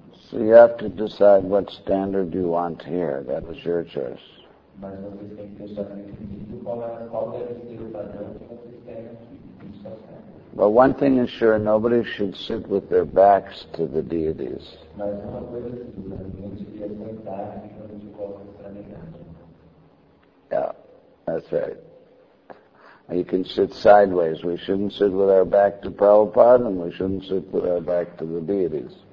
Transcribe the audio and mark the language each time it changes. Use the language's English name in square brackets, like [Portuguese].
[English] So you have to decide what standard you want here. That is your choice. [Portuguese] Mas vocês têm que deixar definido qual deve ser o padrão que vocês querem aqui. [English] But one thing is sure, nobody should sit with their backs to the deities. [Portuguese] Mas uma coisa é segura, ninguém devia sentar de costas para a deidade. [English] Yeah. That's right. You can sit sideways. We shouldn't sit with our back to Prabhupada, and we shouldn't sit with our back to the deities.